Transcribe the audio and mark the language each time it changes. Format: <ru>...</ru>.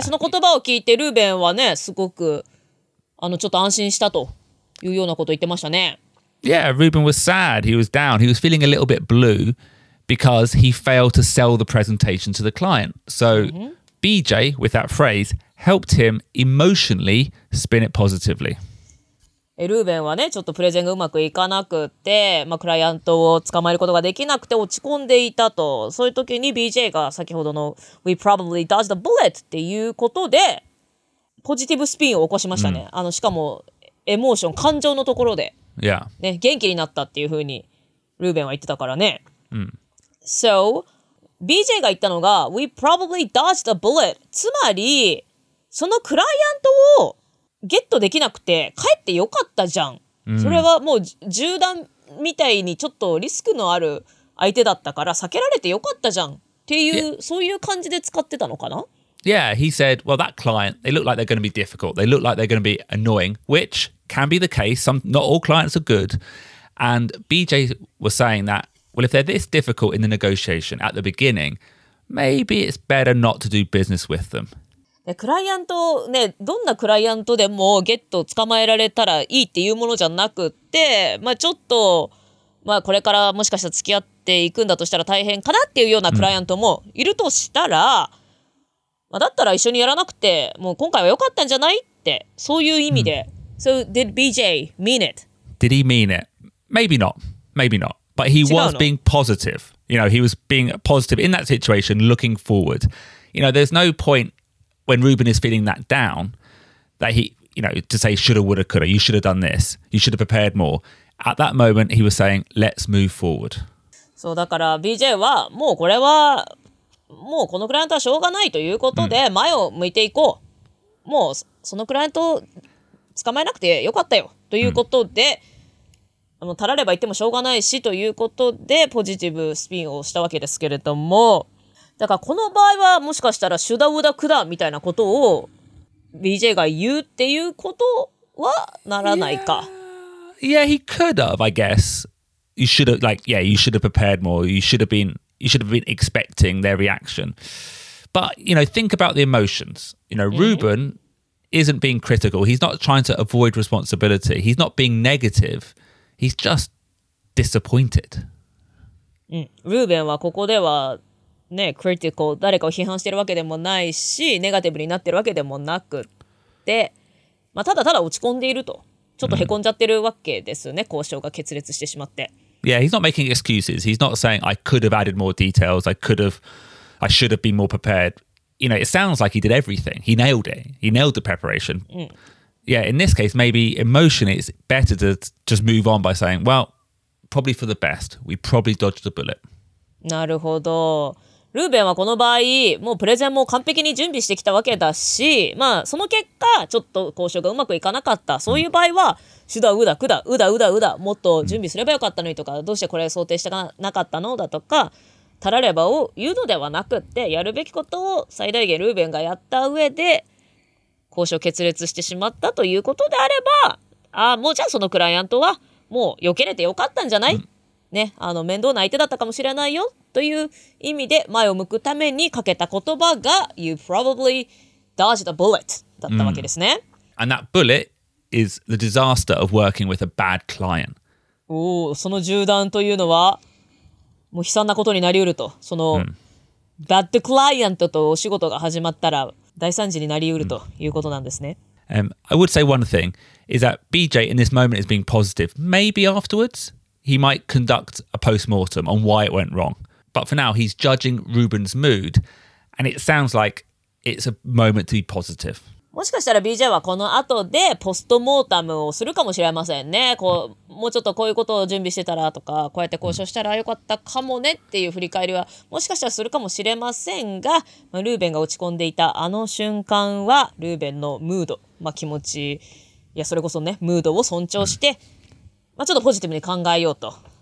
<ja>その言葉を聞いてルーベンはね、すごくちょっと安心したというようなことを言ってましたね。</ja> <en>Yeah, Ruben was sad. He was down. He was feeling a little bit blue because he failed to sell the presentation to the client. So、mm-hmm. BJ, with that phrase,helped him emotionally spin it positively.</en> <ja>ルーベンはね、ちょっとプレゼンがうまくいかなくて、まあ、クライアントを捕まえることができなくて落ち込んでいたと。そういう時に BJ が先ほどの</ja> <en>We probably dodged a bullet</en> <ja>っていうことで、ポジティブスピンを起こしましたね。しかも、エモーション、感情のところで、</ja> <en>yeah.</en> <ja>ね、元気になったっていうふうにルーベンは言ってたからね。</ja> <en>So, BJ</en> <ja>が言ったのが</ja> <en>We probably dodged a bullet。</en> <ja>つまり、そのクライアントをゲットできなくて帰ってよかったじゃん、mm. それはもう銃弾みたいにちょっとリスクのある相手だったから避けられてよかったじゃんっていう、yeah. そういう感じで使ってたのかな。</ja> <en>Yeah, he said, well, that client, they look like they're going to be difficult. They look like they're going to be annoying, which can be the case. Not all clients are good. And BJ was saying that, well, if they're this difficult in the negotiation at the beginning, maybe it's better not to do business with them.</en> <ja>クライアントね、どんなクライアントでもゲットを捕まえられたらいいっていうものじゃなくって、まあ、ちょっと、まあ、これからもしかしたら付き合っていくんだとしたら大変かなっていうようなクライアントもいるとしたら、まあ、だったら一緒にやらなくてもう今回は良かったんじゃないってそういう意味で、</ja> <en>So did BJ mean it? Did he mean it? Maybe not. But he was being positive. You know, he was being positive in that situation looking forward. You know, there's no pointWhen Ruben is feeling that down, that he, you know, to say shoulda, woulda, coulda, you should have done this, you should have prepared more. At that moment, he was saying, let's move forward.</en> <ja>そうだから BJ はもうこれはもうこのクライアントはしょうがないということで前を向いていこう。もうそのクライアントを捕まえなくてよかったよということで、たられば言ってもしょうがないしということでポジティブスピンをしたわけですけれども、だからこの場合はもしかしたらシュダウダクダみたいなことを BJ が言うっていうことはならないか。</ja> <en>Yeah, he could have, I guess. You should have, like, yeah, you should have prepared more. You should have been expecting their reaction. But, you know, think about the emotions. You know, Ruben isn't being critical. He's not trying to avoid responsibility. He's not being negative. He's just disappointed.</en> <ja>ルーベンはここではね、クリティカル、誰かを批判してるわけでもないし、ネガティブになってるわけでもなくて、まあ、ただただ落ち込んでいると、ちょっとへこんじゃってるわけですね、交渉が決裂してしまって。</ja> <en>Yeah, he's not making excuses. He's not saying, I could have added more details. I should have been more prepared. You know, it sounds like he did everything. He nailed it. He nailed the preparation.、</en> <ja>うん、</ja> <en>yeah, in this case, maybe emotionally, it's better to just move on by saying, well, probably for the best. We probably dodged a bullet.</en> <ja>なるほど。ルーベンはこの場合もうプレゼンも完璧に準備してきたわけだし、まあその結果ちょっと交渉がうまくいかなかった、そういう場合は手段うだくだうだうだうだ、もっと準備すればよかったのにとか、どうしてこれ想定してなかったのだとか、たらればを言うのではなくって、やるべきことを最大限ルーベンがやった上で交渉決裂してしまったということであれば、あ、もうじゃあそのクライアントはもう避けれてよかったんじゃない、ね、あの面倒な相手だったかもしれないよという意味で前を向くためにかけた言葉が</ja> <en>You probably dodged a bullet</en> <ja>だったわけですね、 mm.</ja> <en>And that bullet is the disaster of working with a bad client.</en> <ja>おお、その銃弾というのはもう悲惨なことになりうると、その、mm. bad client とお仕事が始まったら大惨事になりうるということなんですね、</ja> <en>I would say one thing is that BJ in this moment is being positive. Maybe afterwards he might conduct a post-mortem on why it went wrong. But for now, he's judging Ruben's mood, and it sounds like it's a moment to be positive.</en> <ja>もしかしたら BJ はこの後でポストモータムをするかもしれませんね。こう、もうちょっとこういうことを準備してたらとか、こうやって交渉したらよかったかもねっていう振り返りはもしかしたらするかもしれませんが、ルーベンが落ち込んでいたあの瞬間はルーベンのムード、まあ気持ち、いやそれこそね、ムードを尊重して、まあちょっとポジティブに考えようと。</ja>